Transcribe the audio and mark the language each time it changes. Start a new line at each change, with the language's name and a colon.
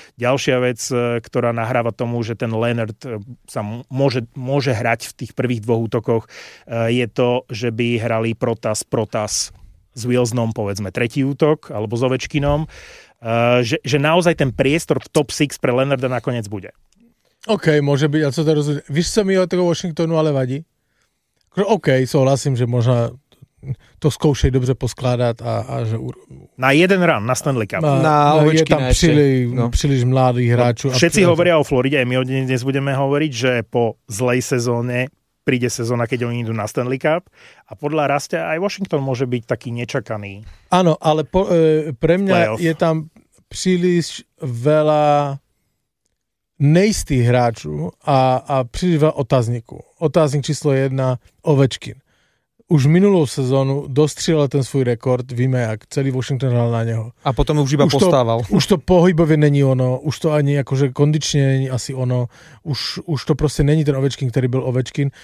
Slovak: Ďalšia vec, ktorá nahráva tomu, že ten Leonard sa môže hrať v tých prvých dvoch útokoch, je to, že by hrali Protas s Wilsonom, povedzme, tretí útok alebo s Ovečkinom. Že naozaj ten priestor v top 6 pre Leonarda nakoniec bude. OK, môže byť, ale co to rozhodne.
Czech: Víš, co mi o toho Washingtonu ale vadí? OK, souhlasím, že možná to zkoušej dobře poskládat a že... Na jeden run, na Stanley Cup. Na Ovečkina je tam příliš mladých hráčů.
Slovak: No, všetci hovoria o Floride, aj my o dnes budeme hovoriť, že po zlej sezóne príde sezóna, keď oni idú na Stanley Cup. A podľa Rastia aj Washington môže byť taký nečakaný. Áno, ale pre mňa je tam príliš veľa
Czech: nejistých hráčů a příliš
Slovak: veľa otázniků.
Czech: Otáznik číslo jedna, Ovečkin. Už minulou sezónu dostřílel ten svůj rekord, víme jak, celý Washington hral na něho.
Slovak: A potom už iba postával.
Czech: Už to pohybově není ono, už to ani jakože kondičně není asi ono, už to prostě není ten Ovečkin, který byl Ovečkin.